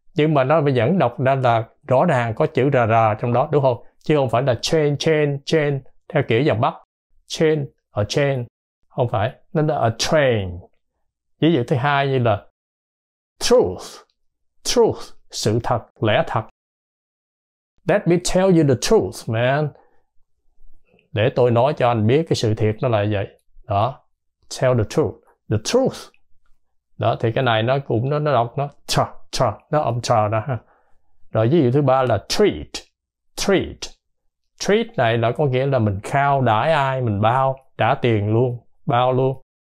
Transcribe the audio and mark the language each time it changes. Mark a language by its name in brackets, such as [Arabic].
[Vietnamese] Nhưng mà nó vẫn đọc ra là rõ ràng có chữ rà rà trong đó, đúng không? Chứ không phải là train, train, train, theo kiểu dòng Bắc. Train, a train, không phải. Nó là a train. Ví dụ thứ hai như là truth, truth, sự thật, lẽ thật. [English] Let me tell you the truth, man. [Vietnamese] Để tôi nói cho anh biết cái sự thiệt nó là vậy. Đó. [English] Tell the truth. The truth. [Vietnamese] Đó, thì cái này nó cũng, nó đọc nó tra, tra, nó âm tra đó ha. Rồi ví dụ thứ ba là treat. Treat. Treat này là có nghĩa là mình khao đãi ai, mình bao, trả tiền luôn, bao luôn.